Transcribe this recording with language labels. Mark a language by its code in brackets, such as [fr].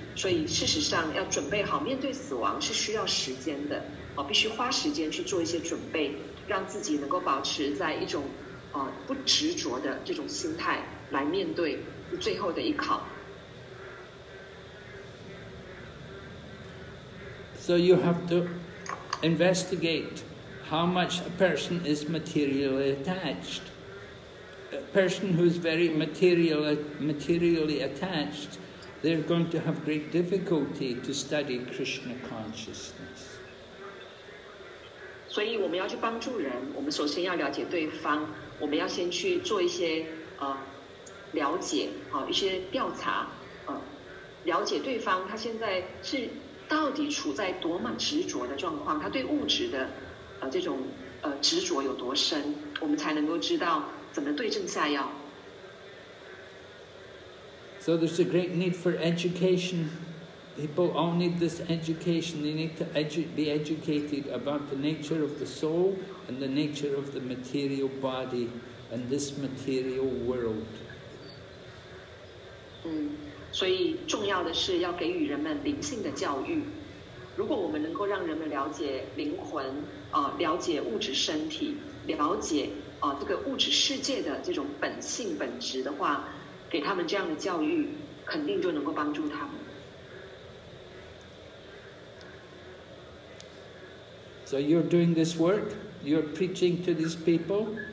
[zh] 所以事实上要准备好面对死亡是需要时间的，必须花时间去做一些准备，让自己能够保持在一种不执着的这种心态来面对最后的一考。 [en] So you have to investigate how much a person is materially attached. A person who is very materially attached, they're going to have great difficulty to study Krishna consciousness. [zh] 所以我们要去帮助人，我们首先要了解对方，我们要先去做一些了解，一些调查，了解对方他现在是到底处在多么执着的状况，他对物质的这种执着有多深，我们才能够知道怎么对症下药。 [en] So there's a great need for education. People all need this education. They need to be educated about the nature of the soul and the nature of the material body and this material world. [zh] 所以重要的是要给予人们灵性的教育。如果我们能够让人们了解灵魂，了解物质身体，了解这个物质世界的这种本性本质的话，给他们这样的教育，肯定就能够帮助他们。 [en] So you're doing this work, you're preaching to these people.